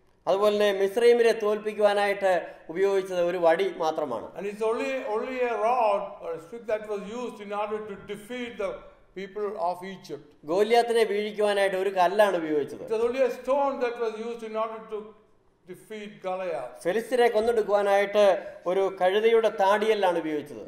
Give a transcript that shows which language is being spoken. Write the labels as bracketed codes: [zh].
[ml] അതുപോലെ തന്നെ മിസ്രൈമിനെ തോൽപ്പിക്കുവാനായിട്ട് ഉപയോഗിച്ചത് ഒരു വടി മാത്രമാണ് [en] And it's only a rod or a stick that was used in order to defeat the people of Egypt. [ml] ഗോലിയാത്തിനെ വീഴ്ത്തുവാനായിട്ട് ഒരു കല്ലാണ് ഉപയോഗിച്ചത്. [en] It's only a stone that was used in order to defeat Goliath. [ml] ഫിലിസ്തീനെ കൊന്നെടുക്കുവാനായിട്ട് ഒരു കഴുതയുടെ താടിയല്ലാണ് ഉപയോഗിച്ചത്.